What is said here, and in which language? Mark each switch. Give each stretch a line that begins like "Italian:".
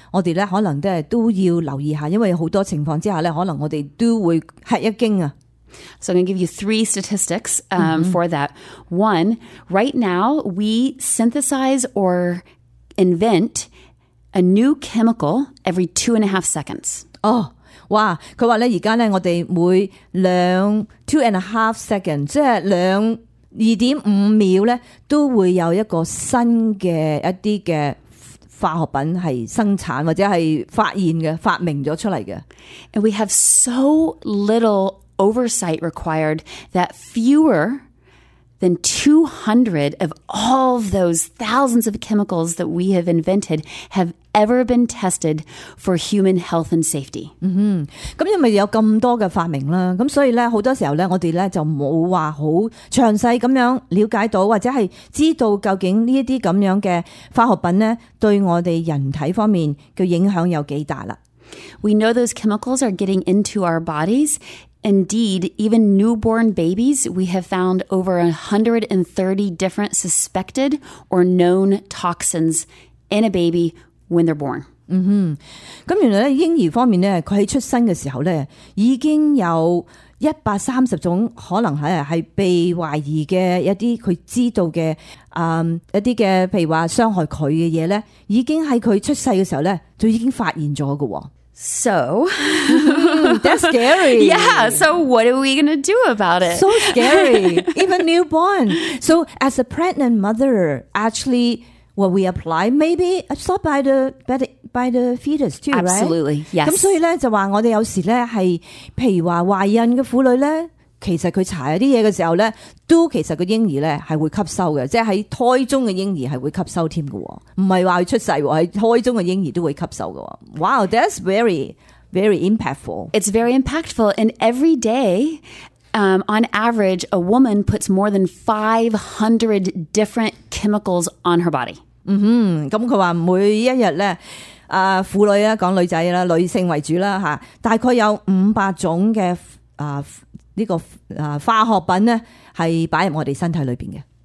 Cantonese: 我哋咧可能咧都要留意下，因为好多情况之下咧，可能我哋都会吃一惊啊。
English: So I'm going to give you three statistics for that. One, right now we synthesize or invent a new chemical every 2.5 seconds. Oh, wow.
Cantonese: 他说现在我们每2.5 seconds, 即是2.5秒都会有一个新的一些的化学品是生产或者是发现的发明了出来的。
English: And we have so little... Oversight required that fewer than 200 of all of those thousands of chemicals that we have invented have ever been tested for human health and safety.
Cantonese: 咁因为有咁多嘅发明啦，咁所以咧好多时候咧，我哋咧就冇话好详细咁样了解到，或者系知道究竟呢一啲咁样嘅化学品咧，对我哋人体方面嘅影响有几大啦。
English: We know those chemicals are getting into our bodies. Indeed, even newborn babies, we have found over 130 different suspected or known toxins in a baby when they're born.
Cantonese: 咁原来咧，婴儿方面咧，佢喺出生嘅时候咧，已经有130种可能系被怀疑嘅一啲佢知道嘅，一啲嘅，譬如话伤害佢嘅嘢咧，已经喺佢出世嘅时候咧，就已经发现咗嘅。
English: So, that's scary. Yeah, so what are we going to do about it? So scary, even newborn. So as a pregnant mother, actually, what we apply, maybe absorbed by the fetus too, Absolutely, right? Absolutely, yes.
Cantonese: 所以呢就说我们有时是譬如说怀孕的妇女呢其实佢搽一啲嘢嘅时候咧，都其实个婴儿咧系会吸收嘅，即系喺胎中嘅婴儿系会吸收添嘅，唔系话佢出世喺胎中嘅婴儿都会吸收嘅。
English: Wow, that's very, very impactful. It's very impactful. And every day, on average, a woman puts more than 500 different chemicals on her body.
Cantonese: 咁佢话每一日咧。妇女啊，讲女仔啦，女性为主啦吓，大概有500种嘅呢、这个化学品咧，系摆入我哋身体里边嘅。